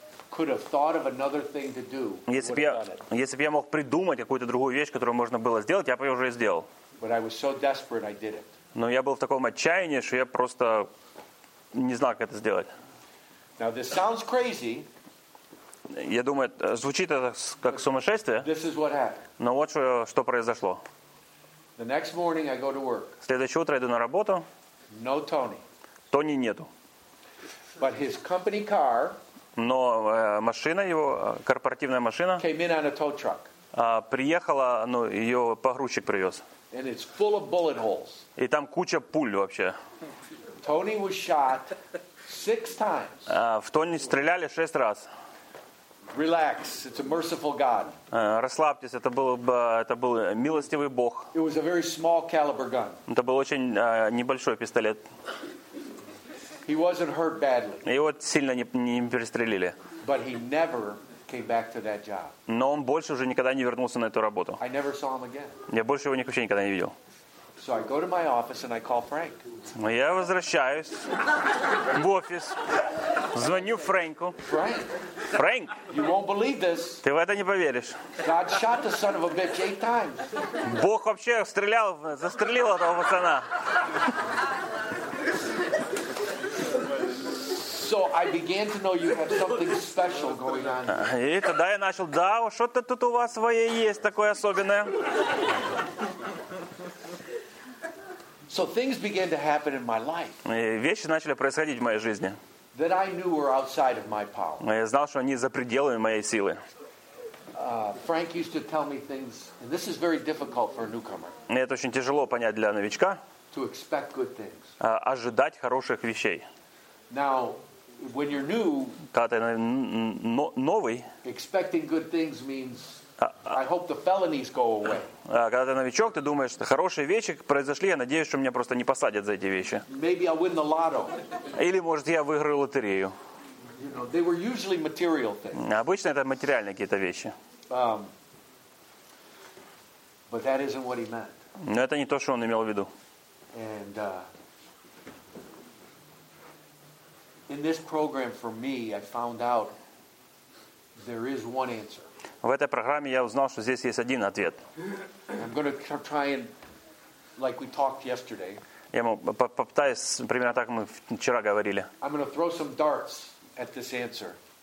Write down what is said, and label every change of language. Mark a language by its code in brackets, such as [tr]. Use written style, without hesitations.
[en] Could have thought of another thing to do. [ru] Если бы я мог придумать какую-то другую вещь, которую можно было сделать, я бы ее уже сделал. [en] But I was so desperate, I did it. [ru] Но я был в таком отчаянии, что я просто не знал, как это сделать. [en] Now this sounds crazy. [ru] Я думаю, звучит это как сумасшествие. [en] This is what happened. [ru] Но вот что произошло. [en] The next morning I go to work. [ru] Следующее утро иду на работу. [en] No Tony. [ru] Тони нету. [en] But his company car. [ru] Но машина его, корпоративная машина, [en] came in on a tow truck. [ru] Приехала, ну, ее погрузчик привез. [en] And it's full of bullet holes. [ru] И там куча пуль вообще. [en] Tony was shot six times. [ru] В Тони стреляли 6 раз. [en] Relax, it's a merciful God. [ru] Расслабьтесь, это был милостивый Бог. [en] It was a very small caliber gun. [ru] Это был очень небольшой пистолет. [en] He wasn't hurt badly. [ru] Его сильно не перестрелили. [en] But he never came back to that job. [ru] Но он больше уже никогда не вернулся на эту работу. [en] I never saw him again. [ru] Я больше его вообще никогда не видел. [en] So I go to my office and I call Frank. [ru] Я возвращаюсь в офис. Звоню Фрэнку. [en] Frank. [ru] Frank. [en] You won't believe this. [ru] Ты в это не поверишь. [en] God shot the son of a bitch 8 times. [ru] Бог вообще стрелял, застрелил этого пацана. [en] So I began to know you have something special going on. [ru] И тогда я начал, да, что-то тут у вас свое есть такое особенное. [en] So things began to happen in my life. [ru] И вещи начали происходить в моей жизни. [en] That I knew were outside of my power. [ru] Я знал, что они за пределами моей силы. [en] Frank used to tell me things, and this is very difficult for a newcomer. [ru] Это очень тяжело понять для новичка. [en] To expect good things. [ru] Ожидать хороших вещей. [en] Now. When you're new, [ru] когда ты новый, [en] expecting good things means I hope the felonies go away. [ru] Когда ты новичок, ты думаешь, что хорошие вещи произошли, я надеюсь, что меня просто не посадят за эти вещи. [en] Maybe I'll win the lotto. [ru] Или, может, я выиграю лотерею. [en] You know, they were usually material things. [ru] Обычно это материальные какие-то вещи. [en] But that isn't what he meant. [ru] Но это не то, что он имел в виду. [en] And, in this program, for me, I found out there is one answer. [ru] В этой программе я узнал, что здесь есть один ответ. [en] I'm going to try and, like we talked yesterday. [ru] Я попытаюсь примерно так, как мы вчера говорили. [en] I'm going to throw some darts at this answer.